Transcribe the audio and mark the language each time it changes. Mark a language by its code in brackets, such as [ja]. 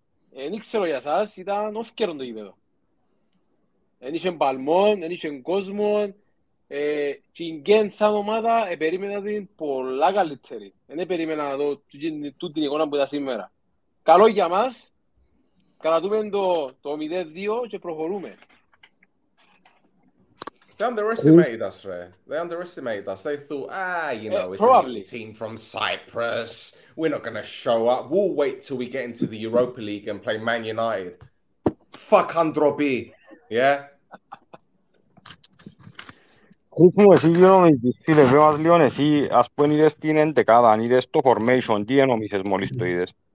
[el] Δεν ξέρω για σας, ήταν όφκαιρον το γήπεδο. Δεν είχε παλμόν, δεν είχε κόσμο. Την Γκέντ σαν ομάδα περίμενα την πολλά καλύτερη. Δεν περίμενα να δω τούτη την εικόνα που ήταν σήμερα. Καλό για μας. Κρατούμε το 0-2 και προχωρούμε. [en] They underestimated us, ρε. They underestimated us. They thought, you know, it's probably a team from Cyprus. We're not going to show up. We'll wait till we get into the Europa League and play Man United. Fuck Androbi. Yeah? [el] Χρήσι μου, εσύ γίνομαι, φίλε, πέρα μας λίγο, εσύ, ας πούμε, είδες την εντεκάδα, αν είδες το formation, τι εννομίζεις μόλις το είδες.